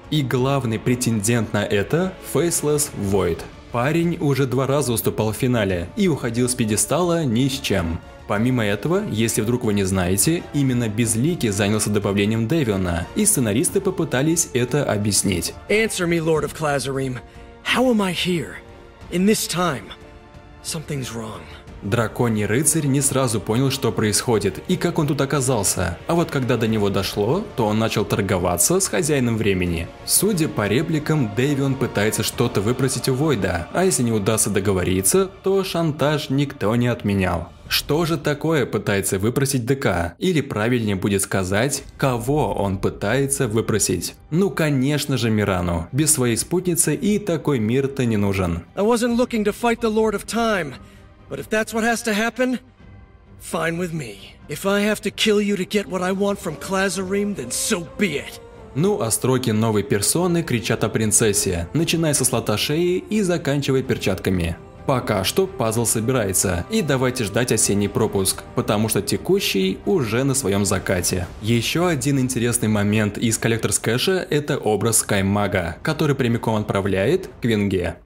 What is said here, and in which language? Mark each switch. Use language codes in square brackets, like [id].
[ru] И главный претендент на это – Faceless Void. Парень уже два раза уступал в финале и уходил с пьедестала ни с чем. Помимо этого, если вдруг вы не знаете, именно Безликий занялся добавлением Дэвиона, и сценаристы попытались это объяснить. [en] Answer me, Lord of Clazarim. How am I here? In this time, something's wrong. [ru] Драконий рыцарь не сразу понял, что происходит и как он тут оказался, а вот когда до него дошло, то он начал торговаться с хозяином времени. Судя по репликам, Дэвион пытается что-то выпросить у Войда, а если не удастся договориться, то шантаж никто не отменял. Что же такое пытается выпросить ДК? Или правильнее будет сказать, кого он пытается выпросить? Ну конечно же Мирану, без своей спутницы и такой мир-то не нужен. Я не хотел бороться с Лордом Времени. [en] But if that's what has to happen, fine with me. If I have to kill you to get what I want from Clazarim, then so be it. [ru] Ну а строки новой персоны кричат о принцессе, начиная со слота шеи и заканчивая перчатками. Пока что пазл собирается, и давайте ждать осенний пропуск, потому что текущий уже на своем закате. Еще один интересный момент из коллекторс кэша – это образ Скаймага, который прямиком отправляет к Венге.